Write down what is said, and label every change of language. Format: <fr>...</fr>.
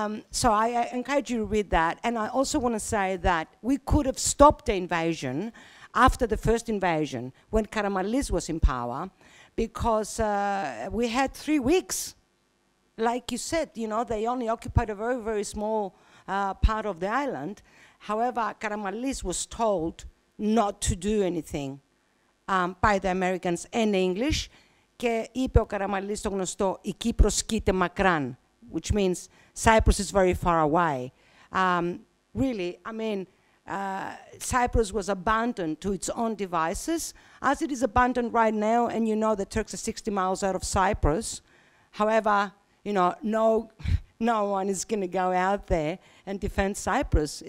<en>So I encourage you to read that. And I also want to say that we could have stopped the invasion after the first invasion when Karamanlis was in power, because we had 3 weeks. Like you said, you know, they only occupied a very, very small part of the island. However, Karamanlis was told not to do anything by the Americans and the English.</en> <el>Και είπε ο Καραμαλής το γνωστό, η Κύπρος κοίται μακράν,</el> <en>which means Cyprus is very far away. Really, I mean, Cyprus was abandoned to its own devices, as it is abandoned right now, and you know the Turks are 60 miles out of Cyprus. However, you know, no one is going to go out there and defend Cyprus.</en>